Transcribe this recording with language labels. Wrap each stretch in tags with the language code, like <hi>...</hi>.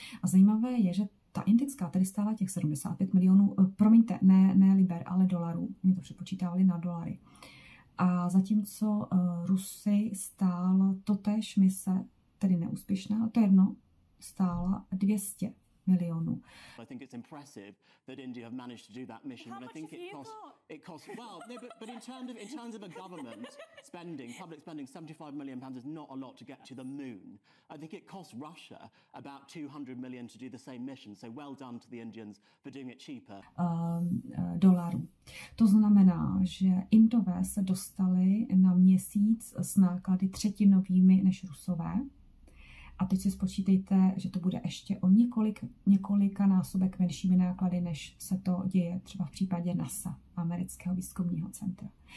<cs>A zajímavé je, že ta indická tedy stála těch 75 milionů, promiňte, ne liber, ale dolarů, oni to přepočítávali na dolary. A zatímco Rusy stála totéž mise, tedy neúspěšná, ale to jedno, stála 200 milionů.</cs> <en>I think it's impressive that India have managed to do that mission. How and I think it cost thought? It cost well, no, but in terms of a government spending, public spending, £75 million is not a lot to get to the moon. I think it cost Russia about $200 million to do the same mission. So well done to the Indians for doing it cheaper.</en> <cs>Dolarů. To znamená, že Indové se dostali na měsíc s náklady třetinovými než Rusové. A teď si spočítejte, že to bude ještě o několika násobek menšími náklady, než se to děje třeba v případě NASA, amerického výzkumního centra.</cs>